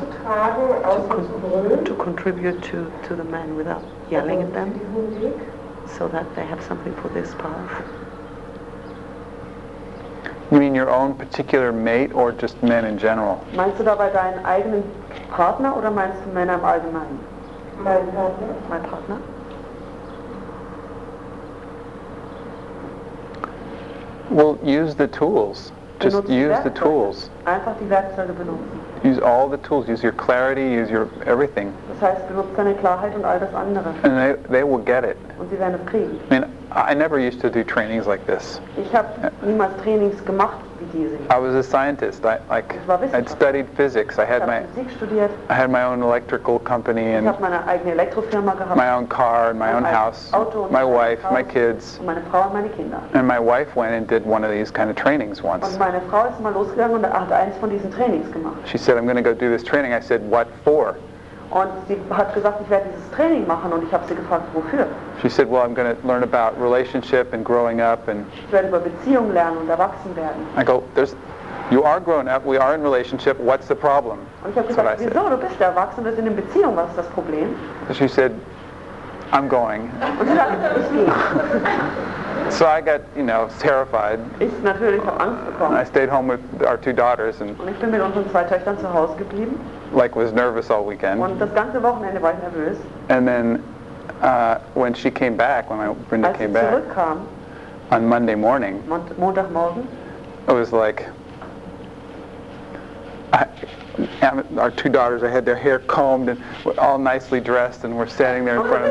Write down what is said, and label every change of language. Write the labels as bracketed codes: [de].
[en] To contribute to the men without yelling at them, so that they have something for this path. You mean your own particular mate or just men in general? [de] Meinst du dabei deinen eigenen Partner oder meinst du Männer im Allgemeinen? Mein Partner. [en] Well, use the tools. Just use the tools. [de] Einfach die Werkzeuge benutzen. [en] Use all the tools. Use your clarity, use your everything. [de] Das heißt, benutze deine Klarheit und all das andere. [en] And they will get it. [de] Und sie werden es kriegen. [en] I mean, I never used to do trainings like this. [de] Ich habe niemals Trainings gemacht wie diese. [en] I was a scientist. I'd studied physics. I had my own electrical company and [de] ich habe meine eigene Elektrofirma gehabt. [en] My own car and my own house. [de] Auto und [en] my wife, [de] Haus, [en] my kids. [de] Und meine Frau und meine Kinder. [en] And my wife went and did one of these kind of trainings once. [de] Und meine Frau ist mal losgegangen und hat eins von diesen Trainings gemacht. [en] She said, "I'm going to go do this training." I said, "What for?" [de] Und sie hat gesagt, ich werde dieses Training machen und ich habe sie gefragt, wofür? [en] She said, "Well, I'm going to learn about relationship and growing up and [de] ich werde über Beziehungen lernen und erwachsen werden." [en] I go, "There's you are grown up, we are in relationship, what's the problem?" [de] Und ich habe gesagt, "Wieso, du bist erwachsen, wir sind in Beziehung, was ist das Problem?" [en] So she said, "I'm going." [de] Und sie sagt, ich gehe. [en] So I got, you know, terrified. [de] Ich natürlich habe Angst bekommen. [en] I stayed home with our two daughters and [de] und ich bin mit unseren zwei Töchtern zu Hause geblieben. [en] Like was nervous all weekend. [de] Und das ganze Wochenende war ich nervös. [en] And then when she came back, when my Brenda [de] als [en] came back [de] zurückkam, [en] on Monday morning, [de] Montagmorgen, [en] it was like our two daughters, I had their hair combed and all nicely dressed and we're standing there in front of